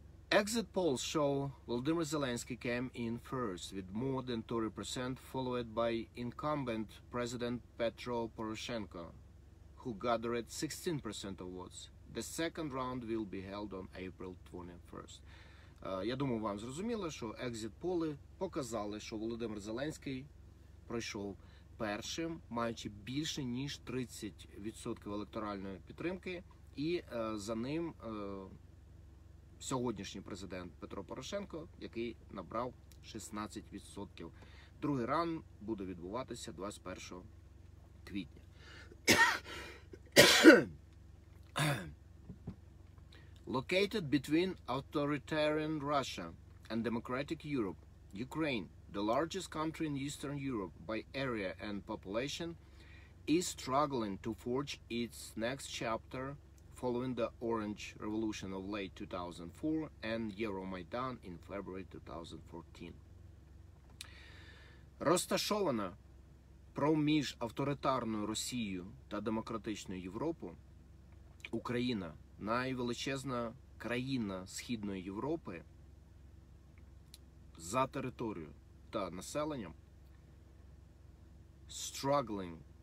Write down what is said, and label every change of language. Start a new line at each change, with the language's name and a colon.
English: Exit polls show Volodymyr Zelensky came in first with more than 30%, followed by incumbent President Petro Poroshenko, who gathered 16% of votes. The second round will be held on April 21st.
Ukrainian: Я думаю, вам зрозуміло, що
English: exit polls
Ukrainian: показали, що Володимир Зеленський пройшов першим, маючи більше ніж 30% електоральної підтримки, і за ним сьогоднішній президент Петро Порошенко, який набрав 16%. Другий раунд буде відбуватися 21 квітня.
English: Located between authoritarian Russia and democratic Europe, Ukraine, the largest country in Eastern Europe by area and population, is struggling to forge its next chapter following the Orange Revolution of late 2004 and Euromaidan in February 2014.
Ukrainian: Розташована проміж авторитарною Росією та демократичною Європою, Україна, найвеличезна країна Східної Європи за територією та населенням, struggling,